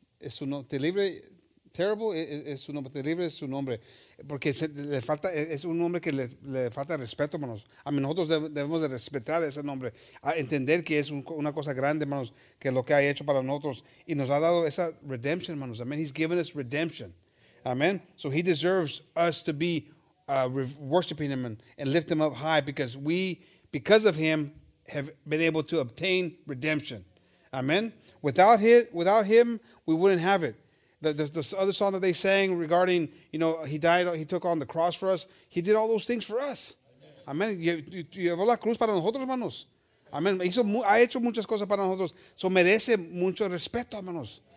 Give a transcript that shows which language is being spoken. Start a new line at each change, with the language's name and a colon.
Spanish: es un nombre terrible, terrible es un nombre terrible, es un nombre porque le falta, es un nombre que le falta respeto, hermanos. A mí, nosotros debemos de respetar ese nombre, a entender que es una cosa grande, hermanos, que lo que ha hecho para nosotros y nos ha dado esa redemption, hermanos.
English: Amen. He's given us redemption. Amen. So he deserves us to be worshiping him and lift him up high because of him have been able to obtain redemption. Amen. Without him, we wouldn't have it. The other song that they sang regarding, he died, he took on the cross for us. He did all those things for us. Amen.
Spanish: Llevó la cruz para nosotros, hermanos. Amen. Ha hecho muchas cosas para nosotros. So merece mucho respeto, hermanos.